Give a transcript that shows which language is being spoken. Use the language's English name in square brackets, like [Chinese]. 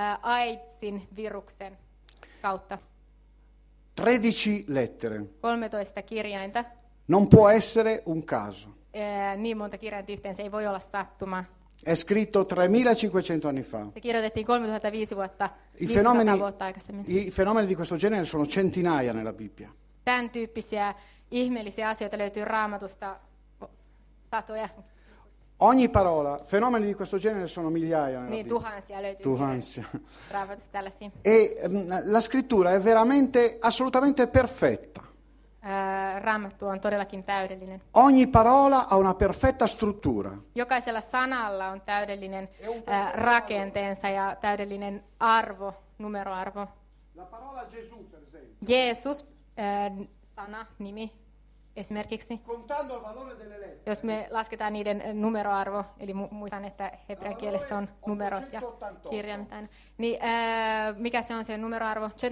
[Finnish] AIDSin viruksen kautta. [Italian] 13 lettere. [Finnish] 13 kirjainta. [Italian] Non può essere un caso. [Finnish] Niin monta kirjainta yhteen, se ei voi olla sattuma. [Italian] È scritto 3500 anni fa. [Finnish] Se kirjoitettiin 3500 vuotta, 500 vuotta aikaisemmin. [Italian] I fenomeni di questo genere sono centinaia nella Bibbia. [Finnish] Tämän tyyppisiä ihmeellisiä asioita löytyy Raamatusta satoja. [Italian] Ogni parola, fenomeni di questo genere sono migliaia. [Finnish] Niin, tuhansia löytyy. Tuhansia. Raamatusta tällaisia. [Italian] E la scrittura è veramente, assolutamente perfetta. [Finnish] Raamattu on todellakin täydellinen. [Italian] Ogni parola ha una perfetta struttura. [Finnish] Jokaisella sanalla on täydellinen rakenteensa ja täydellinen arvo, numeroarvo. [Italian] La parola Gesù, per esempio. [Finnish] Jeesus, sana, nimi. Esimerkiksi, [Italian] contando il valore delle lettere, [Finnish] jos me lasketaan niiden numeroarvo, eli muistan, että hebrean kielessä on numerot ja kirjaimet aina. Niin mikä se on se numeroarvo?